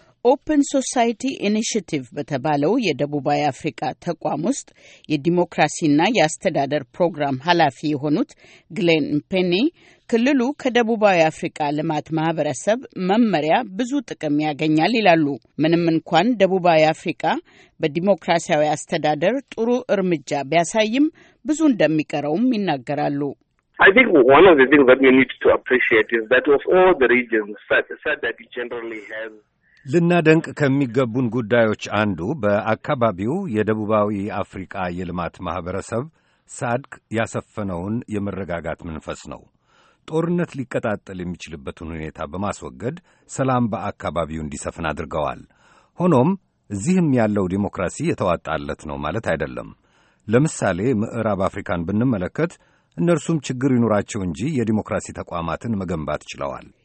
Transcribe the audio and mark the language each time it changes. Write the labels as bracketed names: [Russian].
[Amharic] Open Society Initiative በተባለው የደቡባዊ አፍሪካ ተቋም ውስጥ የዲሞክራሲና የአስተዳደር ፕሮግራም ኃላፊ የሆኑት ግሌን ፔኒ ክልሉ ከደቡባዊ አፍሪካ ልማት ማህበረሰብ መመሪያ ብዙ ጥቅም ያገኛል ይላሉ። ምንም እንኳን ደቡባዊ አፍሪካ በዲሞክራሲያዊ አስተዳደር ጥሩ እርምጃ ቢያሳይም ብዙ እንደሚቀረውም ይናገራሉ። [English] I think one of the things that we need to appreciate is that of all the regions said that it generally has [Amharic] ለናደንቅ ከሚገቡን ጉዳዮች አንዱ በአካባቢው የደቡባዊ አፍሪካ የልማት ማህበረሰብ ሳድክ ያሰፈነውን የመረጋጋት መንፈስ ነው። ጦርነት ሊቀጣጥል የሚችልበትን ሁኔታ በማስወገድ ሰላም በአካባቢው እንዲሰፍን አድርገዋል። ሆኖም እዚህም ያለው ዲሞክራሲ የተዋጣለት ነው ማለት አይደለም። ለምሳሌ ምዕራብ አፍሪካን ብንመለከት እነርሱም ችግር ይኖራቸው እንጂ የዲሞክራሲ ተቋማትን መገንባት ይችላሉ።